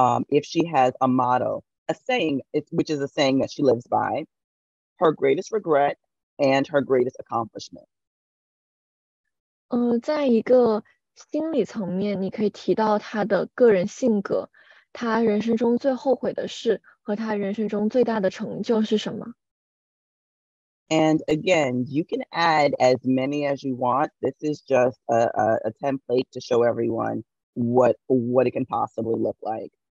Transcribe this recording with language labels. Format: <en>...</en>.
<en>If she has a motto, a saying, which is a saying that she lives by, her greatest regret and her greatest accomplishment.</en> <zh>在一个心理层面，你可以提到他的个人性格，他人生中最后悔的事和他人生中最大的成就是什么？</zh> <en>And again, you can add as many as you want. This is just a template to show everyone what it can possibly look like.</en>